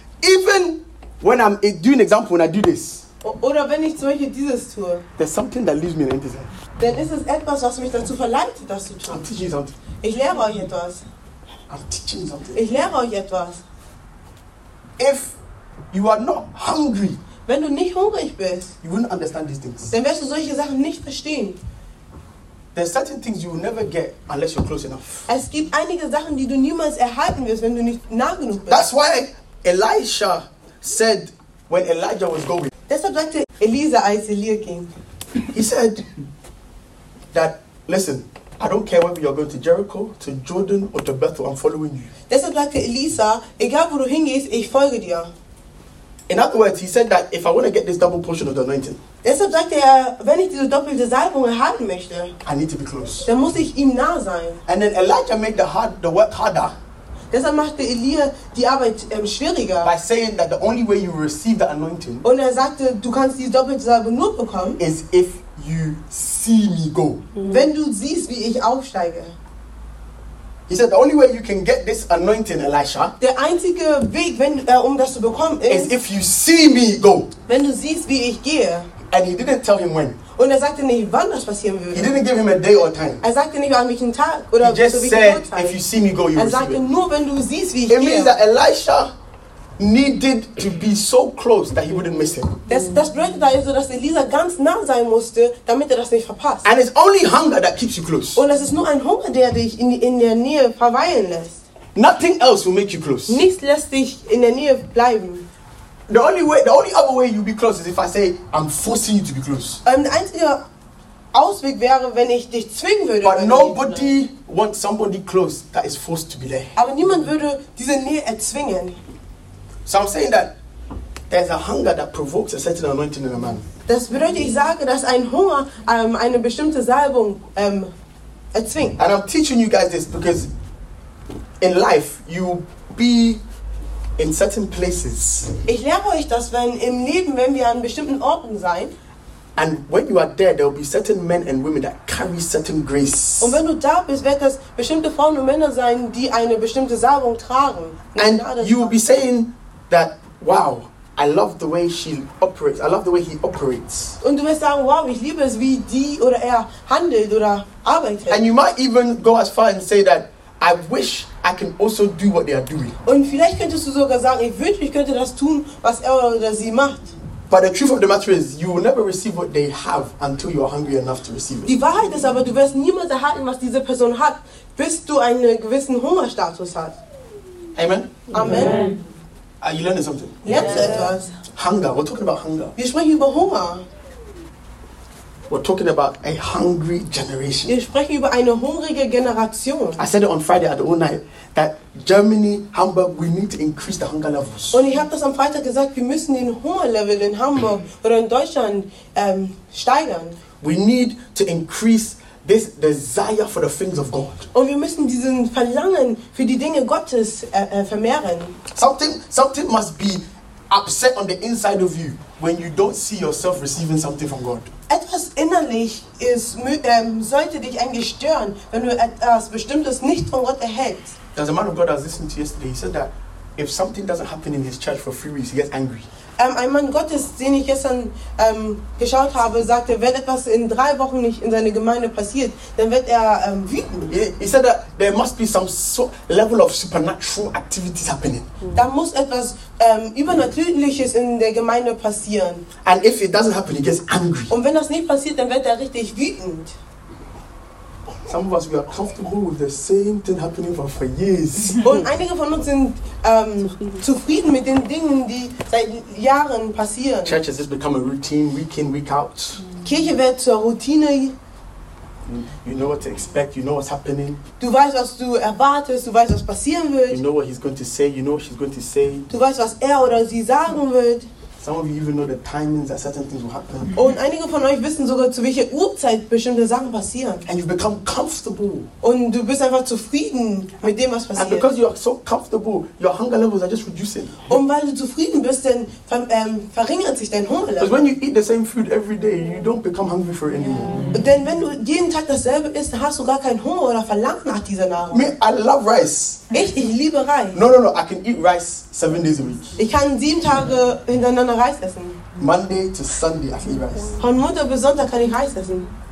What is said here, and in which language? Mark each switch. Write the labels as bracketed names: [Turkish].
[English] Even when I'm doing example, when I do this, [German] oder wenn ich zum Beispiel dieses tue, [English] there's something that leaves me in the end. [German] Dann ist es etwas, was mich dazu verleitet, das zu tun. [English] I'm teaching something. [German] Ich lehre euch etwas. [English] I'm teaching something. [German] Ich lehre euch etwas. [English] If you are not hungry, [German] wenn du nicht hungrig bist, [English] you wouldn't understand these things. [German] Dann wirst du solche Sachen nicht verstehen. [English] There's certain things you will never get unless you're close enough. [German] Es gibt einige Sachen, die du niemals erhalten wirst, wenn du nicht nah genug bist. [English] That's why Elisha said when Elijah was going. [German] Deshalb sagte Elisa, als Elia ging. [English] He said that, listen, I don't care whether you're going to Jericho, to Jordan, or to Bethel, I'm following you. [German] Deshalb sagte Elisa, egal wo du hingehst, ich folge dir. [English] In other words, he said that if I want to get this double portion of the anointing, [German] deshalb sagte er, wenn ich diese doppelte Salbung haben möchte, [English] I need to be close. [German] Dann muss ich ihm nah sein. [English] And then Elijah made the work harder. [German] Deshalb machte Elia die Arbeit schwieriger. [English] By saying that the only way you receive the anointing, [German] und er sagte, du kannst diese doppelte Salbung nur bekommen, [English] is if you see me go. [German] Wenn du siehst, wie ich aufsteige. [English] He said, the only way you can get this anointing, Elisha, [German] der einzige Weg, wenn, das zu bekommen, [English] is if you see me go. [German] Wenn du siehst, wie ich gehe. [English] And he didn't tell him when. [German] Und sagte nicht, wann das passieren würde. [English] He didn't give him a day or time. [German] Sagte nicht, an welchen Tag oder [English] he just so said, [German] Zeit. [English] If you see me go, you receive [German] sagte, [English] it. [German] Nur, wenn du siehst, wie ich [English] it [German] gehe. [English] Means that Elisha needed to be so close that he wouldn't miss him. [German] Das bedeutet also, dass Elisa ganz nah sein musste, damit das nicht verpasst. [English] And it's only hunger that keeps you close. [German] Und es ist nur ein Hunger, der dich in der Nähe verweilen lässt. [English] Nothing else will make you close. [German] Nichts lässt dich in der Nähe bleiben. [English] The only other way you'll be close is if I say I'm forcing you to be close. [German] Der einzige Ausweg wäre, wenn ich dich zwingen würde. [English] But nobody wants somebody close that is forced to be there. [German] Aber niemand würde diese Nähe erzwingen. [English] So I'm saying that there's a hunger that provokes a certain anointing in a man. [German] Das bedeutet, ich sage, dass ein Hunger eine bestimmte Salbung erzwingt. [English] And I'm teaching you guys this because in life you be in certain places. [German] Ich lehre euch das, wenn im Leben, wenn wir an bestimmten Orten sein. [English] And when you are there, there will be certain men and women that carry certain grace. [German] Und wenn du da bist, wird es bestimmte Frauen und Männer sein, die eine bestimmte Salbung tragen. [English] And you will be saying that, wow, I love the way she operates. I love the way he operates. [German] Und du wirst sagen, wow, ich liebe es, wie die oder er handelt oder arbeitet. [English] And you might even go as far and say that, I wish I can also do what they are doing. [German] Und vielleicht könntest du sogar sagen, ich wünsche, ich könnte das tun, was er oder sie macht. [English] But the truth of the matter is, you will never receive what they have until you are hungry enough to receive it. [German] Die Wahrheit ist aber, du wirst niemals erhalten, was diese Person hat, bis du einen gewissen Hungerstatus hast. Amen. Amen. [English] Are you learning something? Yes. [German] Etwas. [English] Hunger. We're talking about hunger. [German] Wir sprechen über Hunger. [English] We're talking about a hungry generation. [German] Wir sprechen über eine hungrige Generation. [English] I said it on Friday at the whole night that Germany, Hamburg, we need to increase the hunger levels. [German] Und ich habe das am Freitag gesagt, wir müssen den Hungerlevel in Hamburg oder in Deutschland steigern. [English] We need to increase this desire for the things of God. [German] Und wir müssen diesen Verlangen für die Dinge Gottes vermehren. [English] Something must be upset on the inside of you when you don't see yourself receiving something from God. [German] Etwas innerlich ist, sollte dich eigentlich stören, wenn du etwas Bestimmtes nicht von Gott erhältst. [English] As a man of God has listened to yesterday, he said that if something doesn't happen in his church for 3 weeks, he gets angry. [German] Ein Mann Gottes, den ich gestern geschaut habe, sagte, wenn etwas in 3 Wochen nicht in seiner Gemeinde passiert, dann wird er wütend. [English] He said that there must be some level of supernatural activities happening. [German] Da muss etwas Übernatürliches in der Gemeinde passieren. [English] And if it doesn't happen, he gets angry. [German] Und wenn das nicht passiert, dann wird er richtig wütend. [English] Some of us, we are comfortable with the same thing happening for years. [German] Und einige von uns sind zufrieden mit den Dingen, die seit Jahren passieren. [English] Church has just become a routine, week in, week out. [German] Kirche wird zur Routine. [English] You know what to expect, you know what's happening. [German] Du weißt, was du erwartest, du weißt, was passieren wird. [English] You know what he's going to say, you know what she's going to say. [German] Du weißt, was er oder sie sagen wird. [English] Some of you even know the timings that certain things will happen. [German] Und einige von euch wissen sogar, zu welcher Uhrzeit bestimmte Sachen passieren. [English] And you've become comfortable. [German] Und du bist einfach zufrieden mit dem, was passiert. [English] And because you are so comfortable, your hunger levels are just reducing. [German] Und weil du zufrieden bist, dann verringert sich dein Hungerlevel. [English] But when you eat the same food every day, you don't become hungry for it anymore. [German] Denn wenn du jeden Tag dasselbe isst, hast du gar keinen Hunger oder Verlangen nach dieser Nahrung. [English] Me, I love rice. [German] Ich liebe Reis. [English] No, I can eat rice 7 days a week. [German] Ich kann 7 Tage hintereinander Reis essen. [English] Monday to Sunday, I can eat rice. [German] Von Montag bis Sonntag kann ich Reis essen.